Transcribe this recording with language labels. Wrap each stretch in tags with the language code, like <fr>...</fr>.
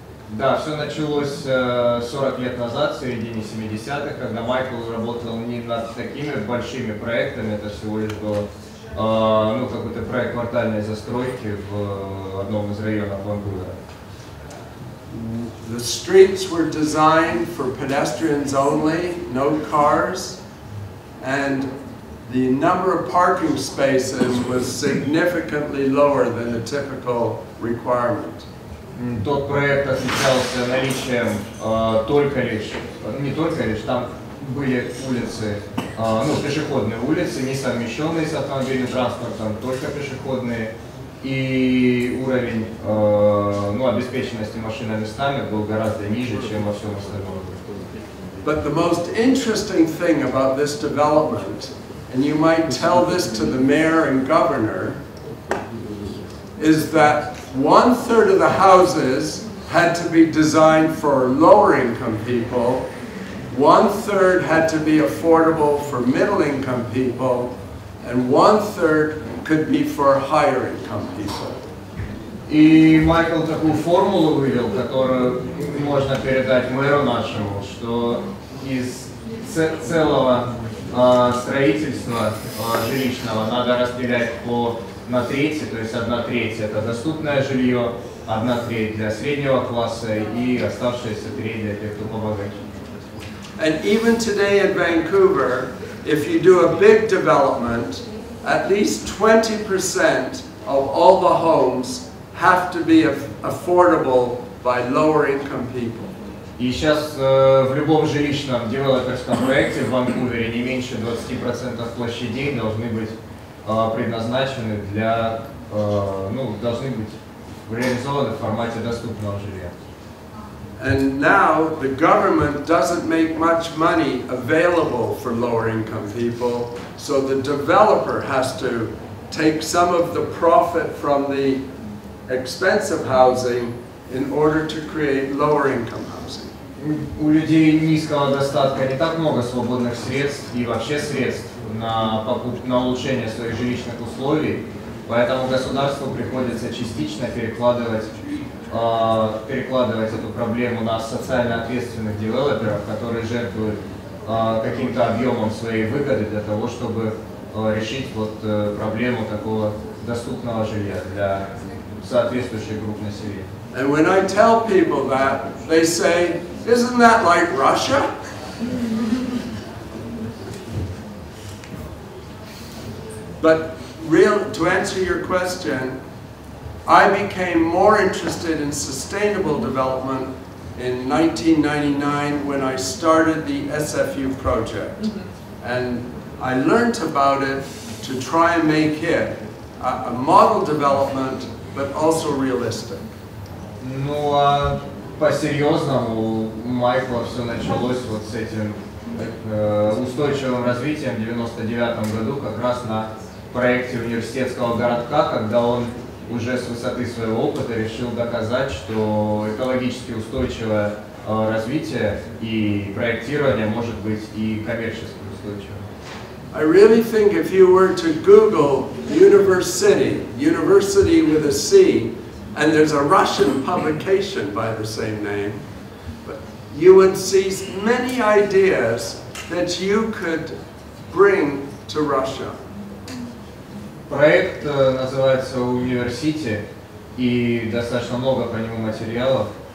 <ru>Да, все началось 40 лет назад, в середине 70-х, когда Майкл работал не над такими большими проектами, это всего лишь было какой-то проект квартальной застройки в одном из районов Ванкувера.</ru> <en>The streets were designed for pedestrians only, no cars, and the number of parking spaces was significantly lower than the typical requirement.</en> <ru>Тот проект отличался наличием только лишь, не только лишь, там были улицы, пешеходные улицы, не совмещенные с автомобильным транспортом, только пешеходные. И уровень обеспеченности машинами местами был гораздо ниже, чем во всем остальном.</ru> <en>But the most interesting thing about this development, and you might tell this to the mayor and governor, is that one third of the houses had to be designed for lower income people, one third had to be affordable for middle income people, and one third could be for higher income people.</en> <ru>И Майкл такую формулу вывел, которую можно передать мэру нашему, что из целого строительства жилищного надо разделять на треть, то есть одна треть это доступное жилье, одна треть для среднего класса и оставшаяся треть для тех, кто побогаче.</ru> <en>And even today in Vancouver, if you do a big development, at least 20% of all the homes have to be affordable by lower income people.</en> <ru>И сейчас в любом жилищном девелоперском проекте в Ванкувере не меньше 20% площадей должны быть предназначены для должны быть реализованы в формате доступного жилья.</ru> <en>And now the government doesn't make much money available for lower income people, so the developer has to take some of the profit from the expensive housing in order to create lower income housing.</en> <ru>у людей низкого достатка не так много свободных средств и вообще средств на покупку, на улучшение своих жилищных условий, поэтому государству приходится частично перекладывать эту проблему на социально ответственных девелоперов, которые жертвуют каким-то объемом своей выгоды для того, чтобы решить вот проблему такого доступного жилья для соответствующей группы населения.</ru> <en>And when I tell people that, they say, isn't that like Russia? But real, to answer your question, I became more interested in sustainable development in 1999 when I started the SFU project. And I learned about it to try and make it a model development, but also realistic.</en> <ru>Ну, а по-серьезному у Майкла все началось вот с этим устойчивым развитием в 99 году, как раз на проекте университетского городка, когда он уже с высоты своего опыта решил доказать, что экологически устойчивое развитие и проектирование может быть и коммерчески устойчивым.</ru> <en>I really think if you were to Google university, university with a C, and there's a Russian publication by the same name, but you would see many ideas that you could bring to Russia.</en> <ru>Проект называется «Университи», и достаточно много по нему материалов.</ru>